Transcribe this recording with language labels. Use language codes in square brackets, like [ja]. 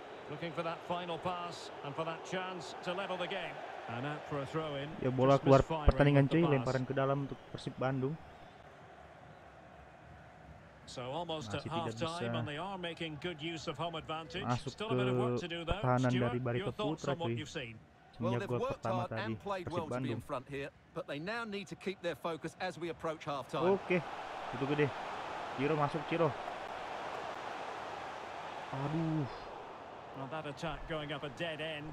[en] Looking for that final pass and for that chance to level the game. And out for a throw in. [id] Ya bola keluar pertandingan cuy, lemparan ke dalam untuk Persib Bandung. [en] So almost at half time and they are making good use of home advantage. [id] Masuk ke pertahanan dari Barito Putra cuy. Semenjak gol pertama tadi Persib Bandung. [en] But they now need to keep their focus as we approach half time. [id] Oke. Itu gede. Ciro masuk, Ciro. Aduh. [en] Well, that attack going up a dead end.